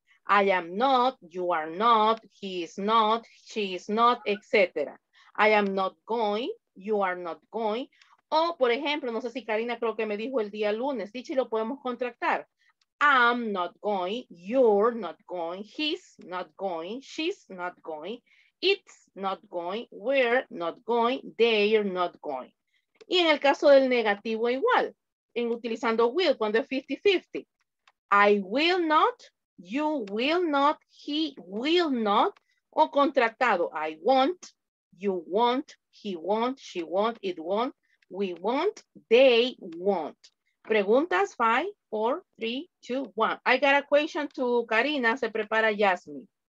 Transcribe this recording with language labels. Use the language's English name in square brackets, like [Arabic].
[English] I am not, you are not, he is not, she is not, etc. I am not going, you are not going. [Spanish] O, por ejemplo, no sé si Karina creo que me dijo el día lunes, dicho y lo podemos contractar. [English] I'm not going, you're not going, he's not going, she's not going, it's not going, we're not going, they're not going. [Spanish] Y en el caso del negativo igual, en utilizando will, cuando es 50-50. [English] I will not, you will not, he will not, [Spanish] o contractado, [English] I won't, you won't, he won't, she won't, it won't, we won't, they won't. [Spanish] Preguntas, [English] 5, 4, 3, 2, 1. I got a question to Karina, [Spanish] se prepara [English] Jasmine.